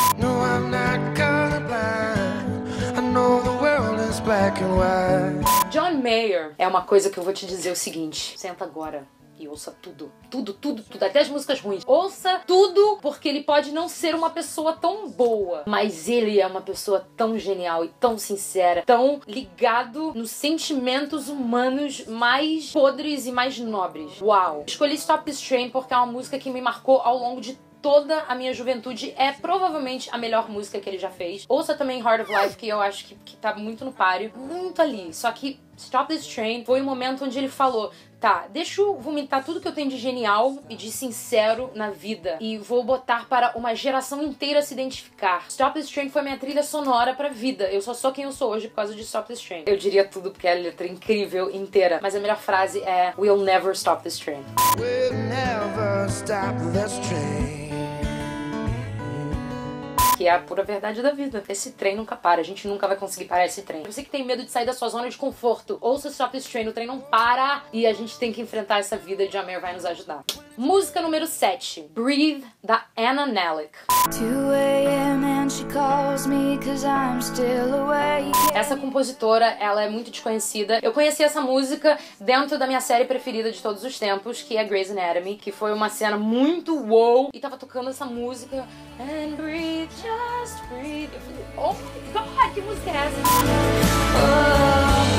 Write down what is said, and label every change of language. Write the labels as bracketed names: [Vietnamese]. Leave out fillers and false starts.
[English] No, I'm not colorblind. I know the world is black and white. [Portuguese] John Mayer é uma coisa que eu vou te dizer o seguinte: senta agora e ouça tudo, tudo, tudo, tudo, até as músicas ruins. Ouça tudo, porque ele pode não ser uma pessoa tão boa, mas ele é uma pessoa tão genial e tão sincera, tão ligado nos sentimentos humanos mais podres e mais nobres. Uau! Escolhi Stop This Train porque é uma música que me marcou ao longo de toda a minha juventude. É provavelmente a melhor música que ele já fez. Ouça também Heart of Life, que eu acho que tá muito no páreo, muito ali, só que Stop This Train foi um momento onde ele falou: tá, deixa eu vomitar tudo que eu tenho de genial e de sincero na vida e vou botar para uma geração inteira se identificar. Stop This Train foi minha trilha sonora pra vida. Eu só sou quem eu sou hoje por causa de Stop This Train. Eu diria tudo porque é a letra incrível inteira, mas a melhor frase é: [English] we'll never stop this train. We'll never stop this train. [Portuguese] Que é a pura verdade da vida. Esse trem nunca para, a gente nunca vai conseguir parar esse trem. Você que tem medo de sair da sua zona de conforto, ouça Stop This Train, o trem não para e a gente tem que enfrentar essa vida e Jamir vai nos ajudar. Música número 7, Breathe, da Anna Nalick. [English] 2 a.m. and she calls me cause I'm still awake. [Portuguese] Essa compositora, ela é muito desconhecida. Eu conheci essa música dentro da minha série preferida de todos os tempos, que é Grey's Anatomy, que foi uma cena muito wow. E tava tocando essa música e eu: [English] and breathe, just breathe. [Portuguese] Eu falei: [English] oh my god, [Portuguese] que música é essa?